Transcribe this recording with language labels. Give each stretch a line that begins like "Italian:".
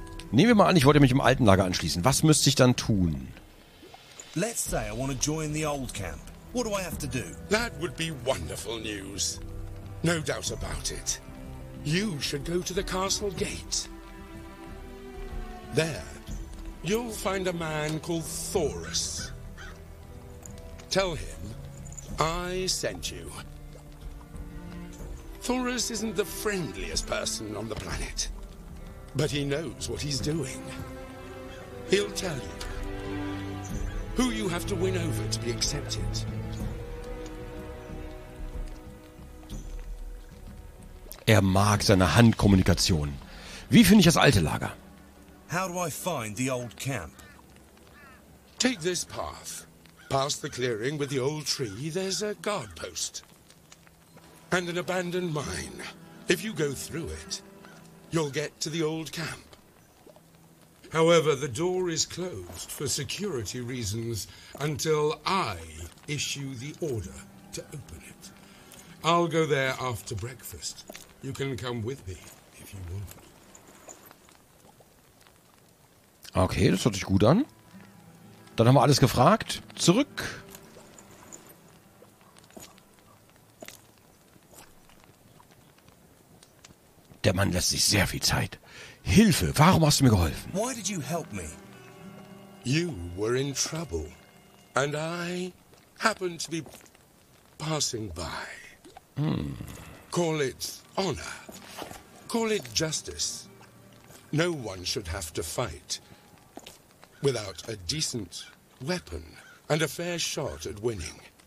German: Nehmen wir mal an, ich wollte mich im alten Lager anschließen. Was müsste ich dann tun?
English: Let's say I want to join the old camp. What do I have to do? That would be wonderful news. No doubt about it. You should go to the castle gate. There, you'll find a man called Thoris. Tell him I sent you. Thoris isn't the friendliest person on the planet, but he knows what he's doing. He'll tell you who you have to win over to be accepted.
German: Er mag seine Handkommunikation. Wie finde ich das alte Lager?
English: How do I find the old camp? Take this path. Past the clearing with the old tree, there's a guard post. And an abandoned mine. If you go through it, you'll get to the old camp. However, the door is closed for security reasons until I issue the order to open it. I'll go there after breakfast. You can come with me if you want.
German: Okay, das hört sich gut an. Dann haben wir alles gefragt. Zurück. Der Mann lässt sich sehr viel Zeit. Hilfe, warum hast du mir geholfen?
English: Why did you help me? You were in trouble. And I happened to be passing by. Call it honor. Call it justice. No one should have to fight without a decent weapon and a fair shot at winning.